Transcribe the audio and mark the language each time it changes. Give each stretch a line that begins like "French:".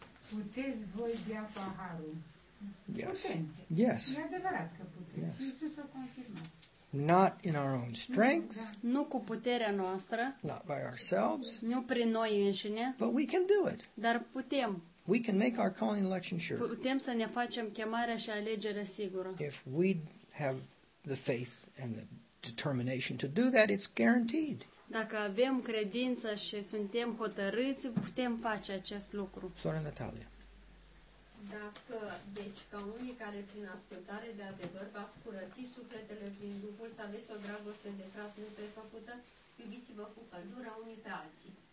Romanian: Puteți voi bea paharul.
English: Yes.
Romanian: Putente.
English: Yes.
Romanian: E adevărat că puteți.
English: Yes.
Romanian: Iisus a confirmat.
English: Not in our own strength.
Romanian: Nu cu puterea noastră.
English: Not by ourselves.
Romanian: Nu prin noi înșine.
English: But we can do it.
Romanian: Dar putem.
English: We can make our calling election sure.
Romanian: Putem să ne facem chemarea și alegerea sigură.
English: If we have the faith and the determination to do that, it's guaranteed.
Romanian: Dacă avem credință și suntem hotărâți, putem face acest lucru. Sora Natalia. Dacă, deci, ca unii care prin ascultare de adevăr v-ați curățit sufletele prin Duhul, să aveți o dragoste de frați neprefăcută, iubiți-vă cu căldura unii pe alții.